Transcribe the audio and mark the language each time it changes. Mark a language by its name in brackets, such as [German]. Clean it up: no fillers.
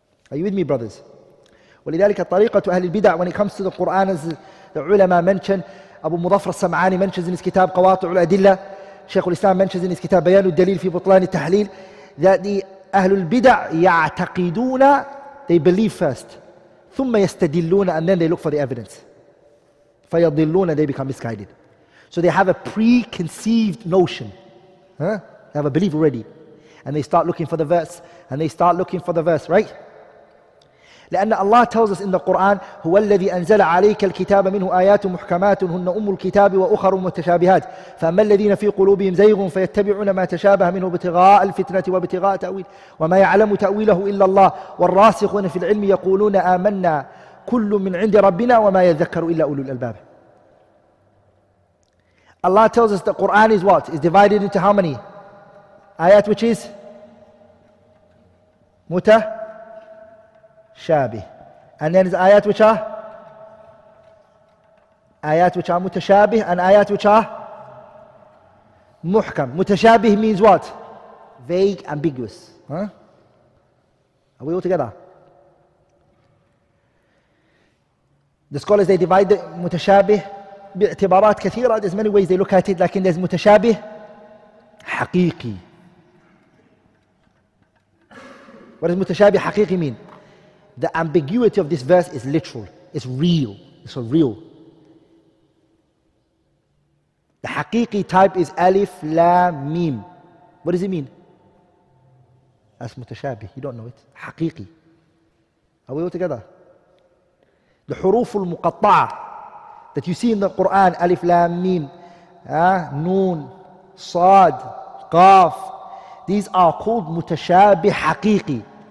[English] Are you with me, brothers? [Arabic] ولذلك الطريقة أهل البدع, [English] when it comes to the Quran, as the ulama mentioned, Abu Mudhaffar al-Sam'ani mentions in his kitab قواطع الأدلة, Shaykh al-Islam mentions in his kitab بيان الدليل في بطلان التحليل, that the [Arabic] أهل البدع يعتقدون, [English] they believe first, [Arabic] ثم يستدلون, [English] and then they look for the evidence. فيضلون, they become misguided. So they have a preconceived notion. Huh? They have a belief already. And they start looking for the verse, and they start looking for the verse, right? [Arabic] لأن الله [English] tells us in the Quran, [Arabic] هو الذي أنزل عليك الكتاب منه آيات محكمات هن أم الكتاب وأخر متشابهات فأما الذين في قلوبهم زيغ فيتبعون ما تشابه منه ابتغاء الفتنة وابتغاء تأويل وما يعلم تأويله إلا الله والراسخون في العلم يقولون آمنا كل من عند ربنا وما يذكر إلا أولو الألباب. [English] Allah tells us the Quran is what? It's divided into how many? Ayat which is? Muta? Shabih. And then is ayat which are? Ayat which are mutashabih and ayat which are? Muhkam. Mutashabih means what? Vague, ambiguous. Huh? Are we all together? The scholars, they divide the mutashabih [Arabic] باعتبارات كثيرة. [English] There's many ways they look at it, لكن there's متشابه حقيقي. What does متشابه حقيقي mean? The ambiguity of this verse is literal, it's real, it's real. The حقيقي type is ألف لام ميم. What does it mean? That's متشابه, you don't know it. حقيقي. Are we all together? The حروف المقطعة that you see in the Quran, Alif Lam Mim, Noon, Saad, Qaf, these are called Mutashabih Haqiqi.